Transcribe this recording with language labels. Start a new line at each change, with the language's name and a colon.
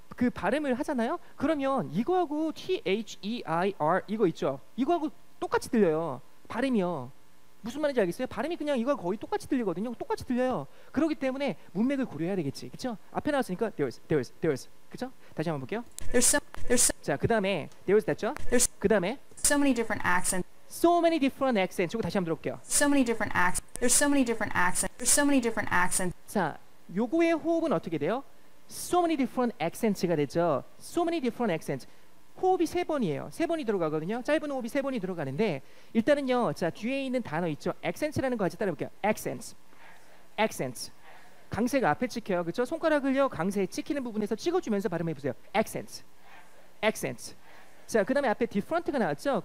Korean: 그 발음을 하잖아요. 그러면 이거하고 T-H-E-I-R 이거 있죠. 이거하고 똑같이 들려요. 발음이요. 무슨 말인지 알겠어요? 발음이 그냥 이거 거의 똑같이 들리거든요. 똑같이 들려요. 그렇기 때문에 문맥을 고려해야 되겠지. 그렇죠? 앞에 나왔으니까 there's. 그렇죠? 다시 한번 볼게요.
English: There's some.
Korean: 자, 그다음에 there's 됐죠?
English: There's
Korean: 그다음에
English: so many different accents. So many different accents.
Korean: 이거 다시 한번 들어볼게요.
English: So many different accents. There's so many different accents. There's so many different accents.
Korean: 자, 요거의 호흡은 어떻게 돼요?
English: So many different accents가
Korean: 되죠.
English: So many different accents.
Korean: 호흡이 세 번이에요. 세 번이 들어가거든요. 짧은 호흡이 세 번이 들어가는데 일단은요. 자, 뒤에 있는 단어 있죠. Accents라는 거 같이 따라해볼게요. Accents. 강세가 앞에 찍혀요. 그렇죠? 손가락을요. 강세에 찍히는 부분에서 찍어주면서 발음해보세요.
English: Accents.
Korean: 자, 그 다음에 앞에 different가 나왔죠.